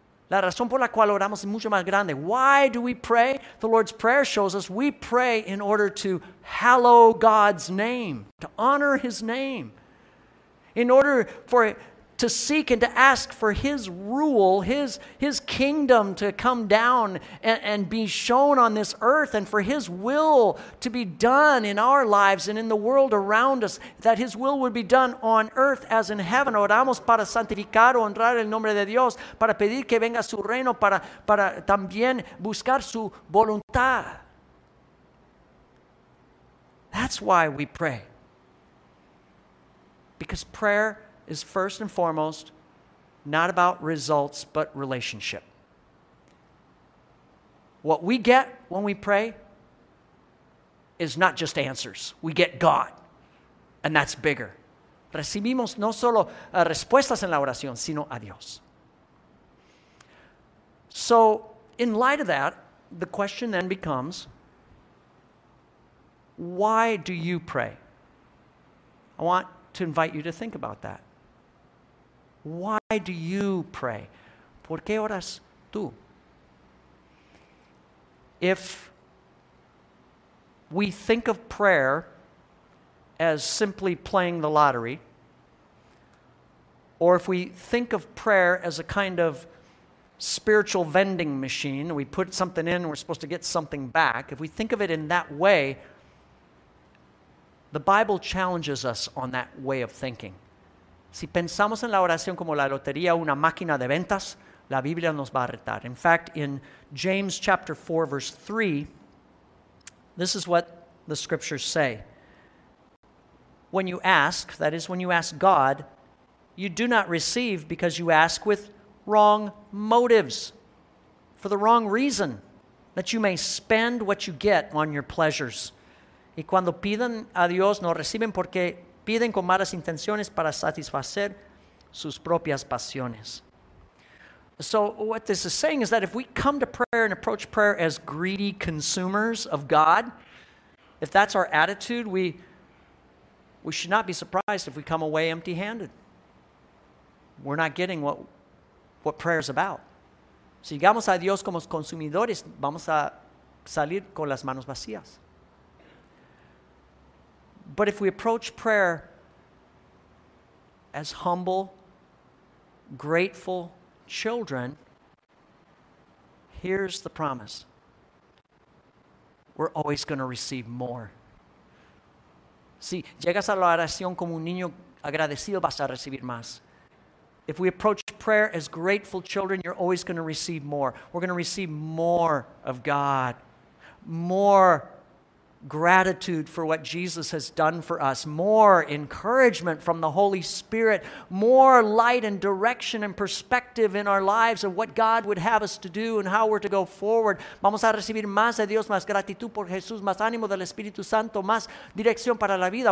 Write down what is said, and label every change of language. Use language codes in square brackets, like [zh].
[es] La razón por la cual oramos es mucho más grande. [en] Why do we pray? The Lord's Prayer shows us we pray in order to hallow God's name, to honor His name, in order for to seek and to ask for His rule, His kingdom to come down and be shown on this earth, and for His will to be done in our lives and in the world around us, that His will would be done on earth as in heaven. [es] Oramos para santificar, honrar el nombre de Dios, para pedir que venga su reino, para también buscar su voluntad. [en] That's why we pray. Because prayer is first and foremost not about results, but relationship. What we get when we pray is not just answers. We get God, and that's bigger. [es] Recibimos no solo respuestas en la oración, sino a Dios. [en] So, in light of that, the question then becomes, why do you pray? I want to invite you to think about that. Why do you pray? [es] ¿Por qué oras tú? [en] If we think of prayer as simply playing the lottery, or if we think of prayer as a kind of spiritual vending machine, we put something in and we're supposed to get something back, if we think of it in that way, the Bible challenges us on that way of thinking. [es] Si pensamos en la oración como la lotería, una máquina de ventas, la Biblia nos va a retar. [en] In fact, in James chapter 4, verse 3, this is what the scriptures say. When you ask, that is, when you ask God, you do not receive because you ask with wrong motives, for the wrong reason, that you may spend what you get on your pleasures. [es] Y cuando piden a Dios, no reciben porque piden con malas intenciones para satisfacer sus propias pasiones. [en] So what this is saying is that if we come to prayer and approach prayer as greedy consumers of God, if that's our attitude, we should not be surprised if we come away empty-handed. We're not getting what prayer is about. [es] Si llegamos a Dios como consumidores, vamos a salir con las manos vacías. [en] But if we approach prayer as humble, grateful children, here's the promise. We're always going to receive more. [es] Si llegas a la oración como un niño agradecido, vas a recibir más. [en] If we approach prayer as grateful children, you're always going to receive more. We're going to receive more of God, more gratitude for what Jesus has done for us, more encouragement from the Holy Spirit, more light and direction and perspective in our lives of what God would have us to do and how we're to go forward. [es] Vamos a recibir más de Dios, más gratitud por Jesús, más ánimo del Espíritu Santo, más dirección para la vida.